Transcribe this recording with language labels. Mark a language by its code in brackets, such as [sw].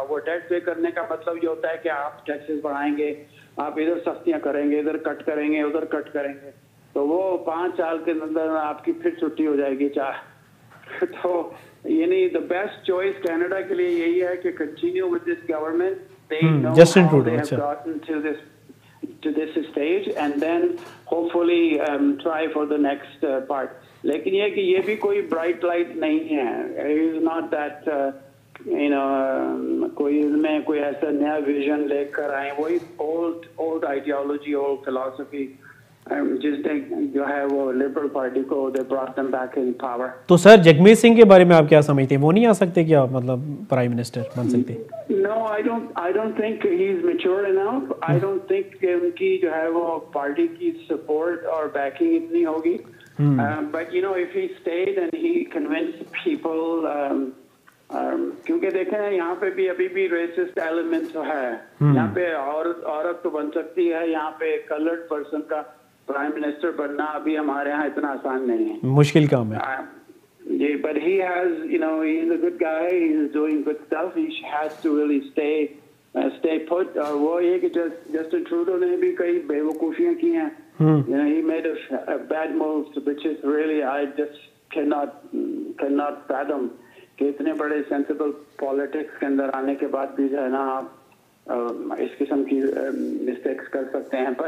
[hi] वो डेट पे करने का मतलब ये होता है कि आप टैक्सेस बढ़ाएंगे, आप इधर सख्तियां करेंगे, इधर कट करेंगे, उधर कट करेंगे, तो वो 5 साल के अंदर आपकी फिर छुट्टी हो जाएगी. चाहे तो यानी [en] the best choice [hi] कनाडा के लिए यही है कि [en] Continue with this government. [hi] Justin Trudeau. अच्छा. [en] to this stage and then hopefully try for the next part. [hi] Lekin ye ki ye bhi koi bright light nahi hai. [en] It is not that [hi] koi isme koi aisa naya vision lekar aaye, wo [en] old ideology, old philosophy. [hi] तो sir Jagmeet Singh के बारे में आप क्या समझते हैं, वो नहीं आ सकते क्या, मतलब प्राइम मिनिस्टर बन सकते? [en] No, I don't think he's mature enough. I don't think [hi] उनकी जो है वो पार्टी की सपोर्ट और बैकिंग इतनी होगी. [en] But you know, if he stayed and he convinced people, [hi] क्योंकि देखें यहाँ पे भी अभी भी रेसिस्ट एलिमेंट तो है. यहाँ पे औरत तो बन सकती है, यहाँ पे कलर्ड पर्सन का प्राइम मिनिस्टर बनना अभी हमारे यहाँ इतना आसान नहीं है, मुश्किल काम है. [en] But he has, you know, he is a good guy, he is doing good stuff, he has to really stay put. [hi] और वो ये कि जस्टिन ट्रूडो ने भी कई बेवकूफियां की हैं. [en] You know, he made a bad move, which is really, I just cannot fathom [hi] कि इतने बड़े sensible politics के अंदर आने के बाद भी है ना आप इस किस्म की मिस्टेक्स कर सकते हैं.